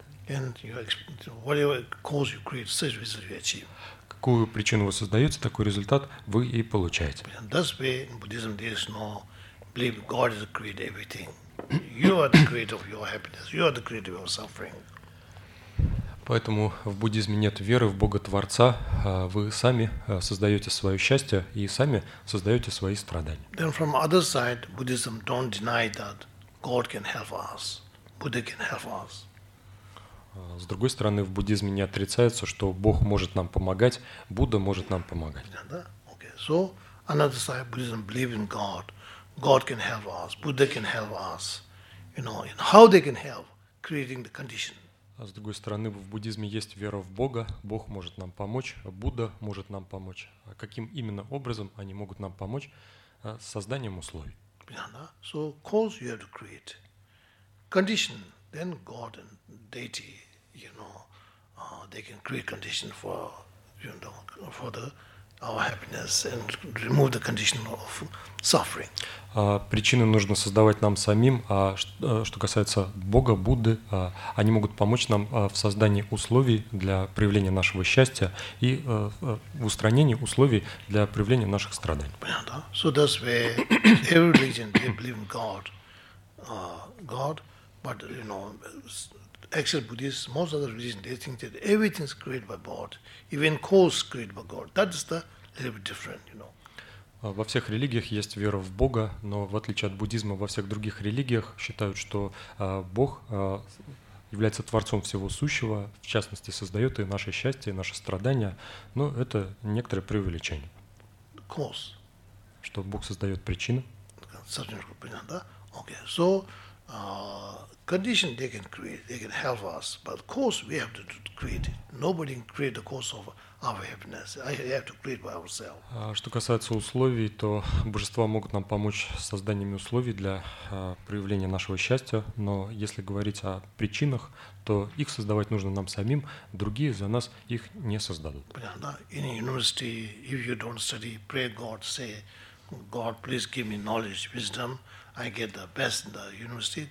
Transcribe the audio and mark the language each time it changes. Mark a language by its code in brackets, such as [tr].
[en] And you, whatever cause you create, such result you achieve. [ru] Какую причину вы создаете, такой результат вы и получаете. [en] That's why in Buddhism there is no belief God has created everything. You are the creator of your happiness. You are the creator of your suffering. [ru] Поэтому в буддизме нет веры в Бога Творца. Вы сами создаете свое счастье и сами создаете свои страдания. [en] Then from other side, Buddhism don't deny that God can help us. Buddha can help us. [ru] С другой стороны, в буддизме не отрицается, что Бог может нам помогать, Будда может нам помогать. [en] Yeah, okay. So another side, Buddhism believe in God. God can help us. Buddha can help us. You know, and how they can help? Creating the condition. [ru] А с другой стороны, в буддизме есть вера в Бога. Бог может нам помочь. Будда может нам помочь. А каким именно образом они могут нам помочь? созданием условий. Prajnana. [en] So cause you have to create condition, then God and deity, you know, they can create condition for, you know, for the our happiness and remove the condition of suffering. [ru] Причины нужно создавать нам самим, а что касается Бога, Будды, они могут помочь нам в создании условий для проявления нашего счастья и в устранении условий для проявления наших страданий. Понятно? [en] So that's where every religion, they believe in God, God, but, you know, except Buddhists, most of the religions, they think that everything is created by God, even cause created by God. That is the little bit different, you know. [ru] Во всех религиях есть вера в Бога, но в отличие от буддизма, во всех других религиях считают, что Бог является творцом всего сущего, в частности, создает и наше счастье, и наши страдания, но это некоторое преувеличение. [en] Cause. [ru] Что Бог создает причины. Сожжение, понятно, да? [en] Okay, so condition they can create, they can help us, but cause we have to create. Nobody can create the cause of our happiness. I have to create by ourselves. [ru] Что касается условий, то божества могут нам помочь с созданием условий для проявления нашего счастья, но если говорить о причинах, то их создавать нужно нам самим, другие за нас их не создадут. Понятно, да? [en] In university, if you don't study, pray God, say, God, please give me knowledge, wisdom, I get the best in the university.